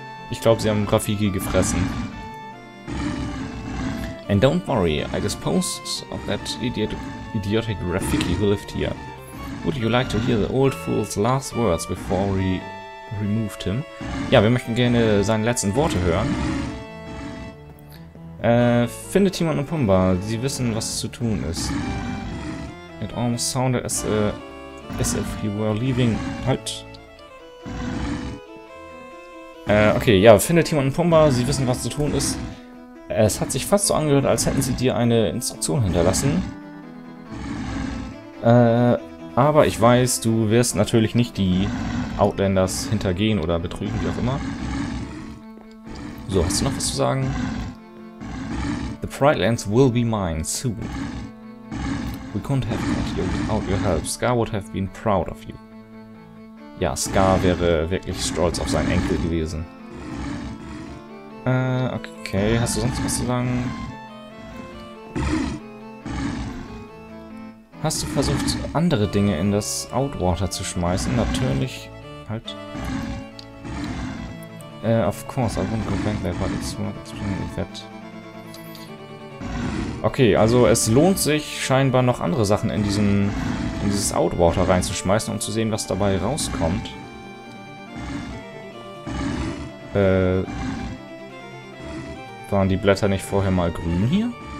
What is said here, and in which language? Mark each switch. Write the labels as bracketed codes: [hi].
[de] Ich glaube, sie haben Rafiki gefressen. [en] And don't worry, I disposed of that idiotic Rafiki who lived here. Would you like to hear the old fool's last words before we removed him? [de] Ja, wir möchten gerne seine letzten Worte hören. Findet Timon und Pumbaa, sie wissen, was zu tun ist. [en] It almost sounded as a As if he were leaving. Halt. [de] Okay, ja, findet Timon und Pumba, sie wissen, was zu tun ist. Es hat sich fast so angehört, als hätten sie dir eine Instruktion hinterlassen. Aber ich weiß, du wirst natürlich nicht die Outlanders hintergehen oder betrügen, wie auch immer. So, hast du noch was zu sagen? [en] The Pride Lands will be mine soon. We couldn't have met you without your help. Scar would have been proud of you. [de] Ja, Scar wäre wirklich stolz auf seinen Enkel gewesen. Okay, hast du sonst was zu sagen? Hast du versucht, andere Dinge in das Outwater zu schmeißen? Natürlich. Halt. [en] Of course, I won't go back there, but it's not extremely wet. [de] Okay, also es lohnt sich scheinbar noch andere Sachen in diesen. In dieses Outwater reinzuschmeißen, um zu sehen, was dabei rauskommt. Waren die Blätter nicht vorher mal grün hier?